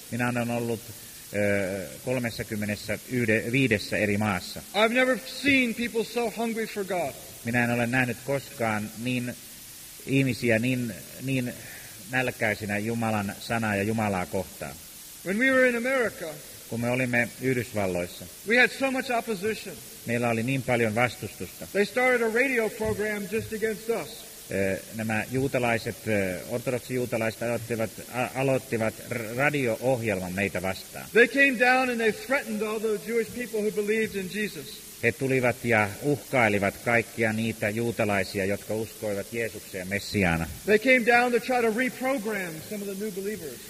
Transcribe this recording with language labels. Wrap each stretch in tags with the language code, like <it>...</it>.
<fi>Minä olen ollut 35 eri maassa.</fi> <en>I've never seen people so hungry for God.</en> <fi>Minä en ole nähnyt koskaan niin ihmisiä niin nälkäisinä Jumalan sanaa ja Jumalaa kohtaan.</fi> <en>When we were in America,</en> <fi>kun me olimme Yhdysvalloissa,</fi> <en>we had so much opposition.</en> <fi>Meillä oli niin paljon vastustusta.</fi> <en>They started a radio program just against us.</en> <fi>Nämä juutalaiset, ortodoksijuutalaiset aloittivat radio-ohjelman meitä vastaan.</fi> <en>They came down and they threatened all the Jewish people who believed in Jesus.</en> <fi>He tulivat ja uhkailivat kaikkia niitä juutalaisia, jotka uskoivat Jeesukseen Messiaana.</fi> <en>They came down to try to reprogram some of the new believers.</en>